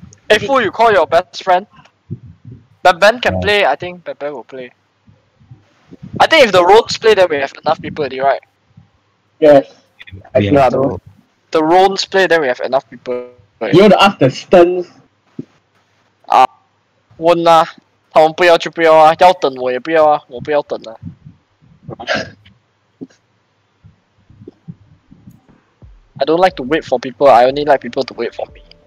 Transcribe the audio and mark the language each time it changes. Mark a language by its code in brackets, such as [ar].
[en] Hey, who you call your best friend? Ben can play, I think Ben will play. I think if the runes play, then we have enough people already, right? Yes. The runes play, then we have enough people. Right? You want to ask the Stuns? [zh] Ah, 问 啊, 他们不要就不要啊, 要等我也不要啊, 我不要等啊。 [en] I don't like to wait for people, I only like people to wait for me.